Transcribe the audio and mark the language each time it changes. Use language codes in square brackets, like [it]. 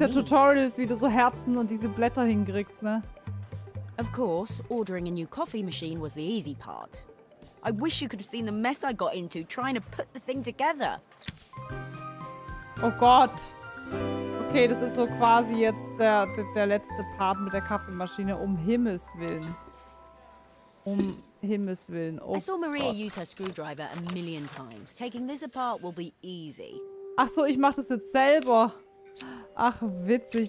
[de] Da gibt's ja Tutorials, wie du so Herzen und diese Blätter hinkriegst, ne? [en] Of course, ordering a new coffee machine was the easy part. I wish you could have seen the mess I got into trying to put the thing together. [de] Oh Gott. Okay, das ist so quasi jetzt der letzte Part mit der Kaffeemaschine, um Himmels Willen. Um Himmels Willen. Oh, [en] I saw Maria [de] Gott. [en] Use her screwdriver a million times. Taking this apart will be easy. [de] Ach so, ich mach das jetzt selber. Ach, witzig.